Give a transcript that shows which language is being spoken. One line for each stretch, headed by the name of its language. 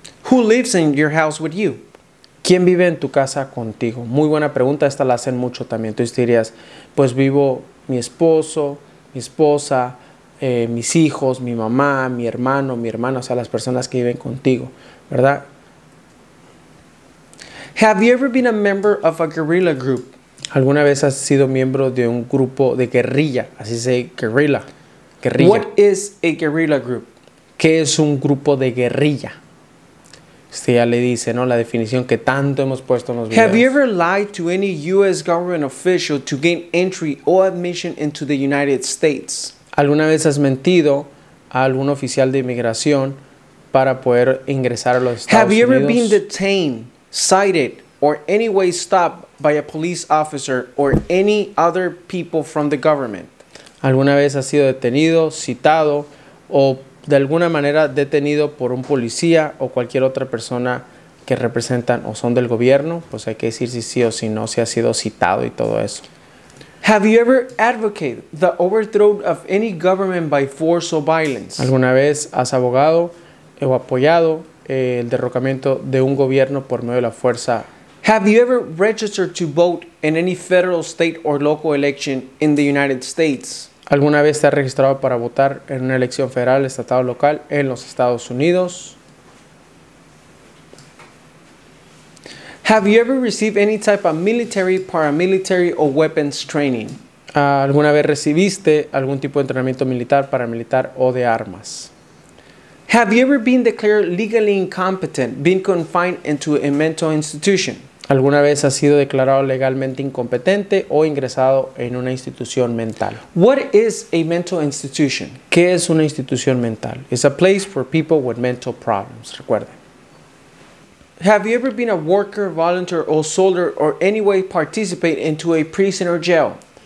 English: Who lives in your house with you?
Spanish: ¿Quién vive en tu casa contigo? Muy buena pregunta, esta la hacen mucho también. Entonces dirías, pues vivo mi esposo, mi esposa, mis hijos, mi mamá, mi hermano, mi hermana, o sea, las personas que viven contigo, ¿verdad?
English: Have you ever been a member of a guerrilla group?
Spanish: ¿Alguna vez has sido miembro de un grupo de guerrilla? Así se dice, guerrilla. Guerrilla.
English: What is a guerrilla group?
Spanish: ¿Qué es un grupo de guerrilla? Este ya le dice, ¿no? La definición que tanto hemos puesto en los videos.
English: Have you ever lied to any U.S. government official to gain entry or admission into the United States?
Spanish: ¿Alguna vez has mentido a algún oficial de inmigración para poder ingresar a los Estados
English: Unidos? Have you ever
Spanish: Unidos?
English: Been detained, cited, or anyway stopped by a police officer or any other people from the government?
Spanish: ¿Alguna vez has sido detenido, citado o de alguna manera detenido por un policía o cualquier otra persona que representan o son del gobierno? Pues hay que decir si sí o si no, si ha sido citado y todo eso.
English: Have you ever advocated the overthrow of any government by force or violence?
Spanish: ¿Alguna vez has abogado o apoyado el derrocamiento de un gobierno por medio de la fuerza?
English: Have you ever registered to vote in any federal, state or local election in the United States?
Spanish: ¿Alguna vez te has registrado para votar en una elección federal, estatal o local en los Estados Unidos?
English: Have you ever received any type of military, paramilitary or weapons training?
Spanish: ¿Alguna vez recibiste algún tipo de entrenamiento militar, paramilitar o de armas?
English: Have you ever been declared legally incompetent, been confined into a mental institution?
Spanish: ¿Alguna vez has sido declarado legalmente incompetente o ingresado en una institución mental?
English: What is a mental institution?
Spanish: ¿Qué es una institución mental?
English: It's a place for people with mental problems, recuerden. Have you ever been a worker, volunteer, or soldier, or anyway participate into a prison or jail?